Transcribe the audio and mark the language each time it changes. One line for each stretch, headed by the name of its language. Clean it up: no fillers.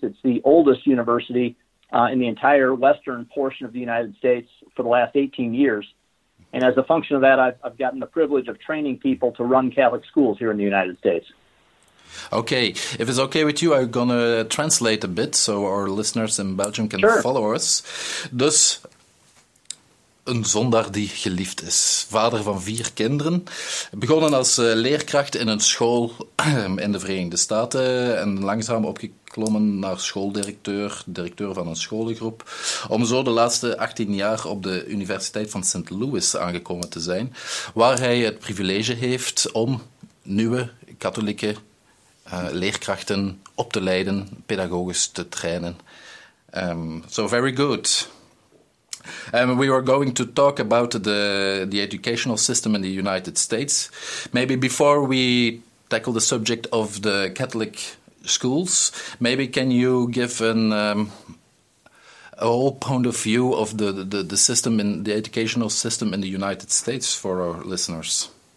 English: It's the oldest university in the entire western portion of the United States for the last 18 years. And as a function of that, I've gotten the privilege of training people to run Catholic schools here in the United States. Okay. If it's okay with you, I'm going to translate a bit so our listeners in Belgium can sure. follow us.
Dutch: Dus, een zondaar die geliefd is. Vader van 4 kinderen. Begonnen als leerkracht in een school in de Verenigde Staten. En langzaam opgeklommen naar schooldirecteur, directeur van een scholengroep. Om zo de laatste 18 jaar op de Universiteit van St. Louis aangekomen te zijn. Waar hij het privilege heeft om nieuwe katholieke leerkrachten op te leiden. Pedagogisch te trainen.
English: So very good. We were going to talk about the educational system in the United States. Maybe before we tackle the subject of the Catholic schools, maybe can you give a whole point of view of the system in the educational system in the United States for our listeners?